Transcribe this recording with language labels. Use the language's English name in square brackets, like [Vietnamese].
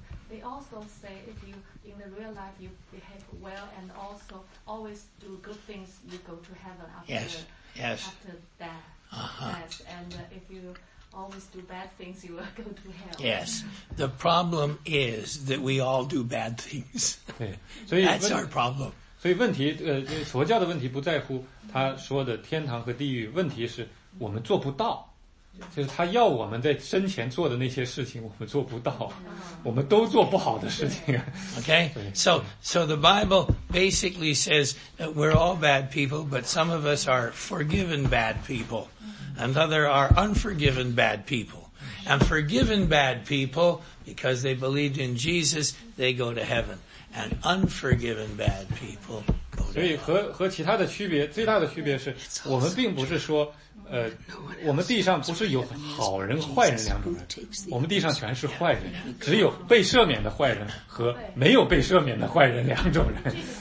[English] They also say if you, in the real life, you behave well and also always do good things, you go to heaven after death. Uh-huh. Yes. And if you always do bad things, you will go to hell. Yes. The problem is that we all do bad things. That's our problem. [Chinese] 所以问题，佛教的问题不在乎他说的天堂和地狱，问题是我们做不到。就是他要我们在生前做的那些事情我们做不到，我们都做不好的事情。 [English] Okay, so the Bible basically says that we're all bad people, but some of us are forgiven bad people and others are unforgiven bad people. And forgiven bad people, because they believed in Jesus, they go to heaven. And unforgiven bad people go to hell. [Chinese] 所以和其他的区别，最大的区别是我们并不是说我们地上不是有好人坏人两种人，我们地上全是坏人，只有被赦免的坏人和没有被赦免的坏人两种人。